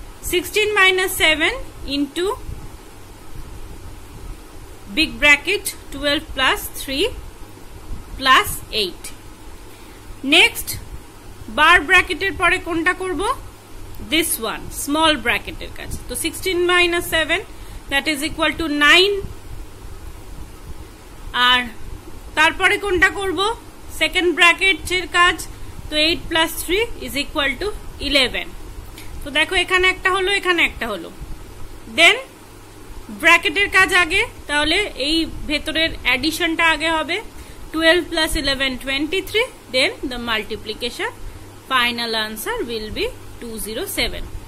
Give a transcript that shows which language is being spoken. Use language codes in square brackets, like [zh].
[en] 16 minus 7 into big bracket 12 plus 3 plus 8। [bn] Next বার ব্র্যাকেটের পরে কোনটা করব, [en] this one small bracket [bn] এর কাছে। [en] তো 16 minus 7 that is equal to 9, [bn] আর তারপরে কোনটা করব, [en] second bracket এর কাজ, তো 8 plus 3 is equal to 11। [bn] তো দেখো এখানে একটা হলো, এখানে একটা হলো, then bracket এর কাজ আগে, তাহলে এই ভেতরের additionটা আগে হবে, 12 plus 11 23, [en] then the multiplication, final answer will be 207।